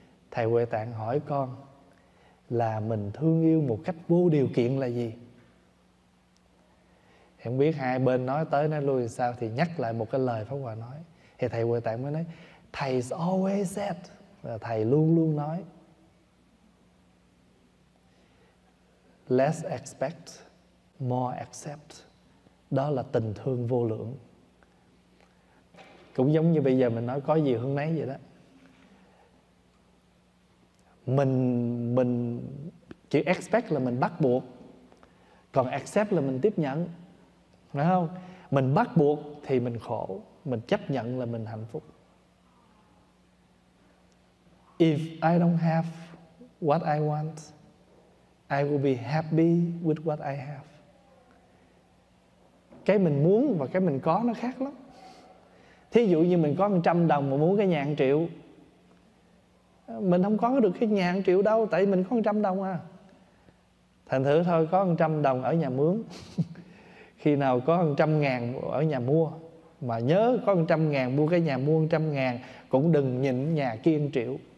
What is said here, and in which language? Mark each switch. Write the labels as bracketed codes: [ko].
[vi] Thầy Huệ Tạng hỏi con là mình thương yêu một cách vô điều kiện là gì? Em biết hai bên nói tới nói lui sao, thì nhắc lại một cái lời Pháp Hòa nói. Thì thầy Huệ Tạng mới nói, thầy [en] always said, [vi] là thầy luôn luôn nói, [en] Less expect, more accept. [vi] Đó là tình thương vô lượng. Cũng giống như bây giờ mình nói có gì hướng nấy vậy đó. Mình chỉ expect là mình bắt buộc, còn accept là mình tiếp nhận. Phải không? Mình bắt buộc thì mình khổ, mình chấp nhận là mình hạnh phúc. [en] If I don't have what I want, I will be happy with what I have. [vi] Cái mình muốn và cái mình có nó khác lắm. Thí dụ như mình có 100 đồng mà muốn cái nhà 1 triệu, mình không có được cái nhà 1 triệu đâu, tại mình có 100 đồng à. Thành thử thôi có 100 đồng ở nhà mướn. Khi nào có 100 ngàn ở nhà mua, mà nhớ có 100 ngàn mua cái nhà mua 100 ngàn, cũng đừng nhịn nhà kia 1 triệu.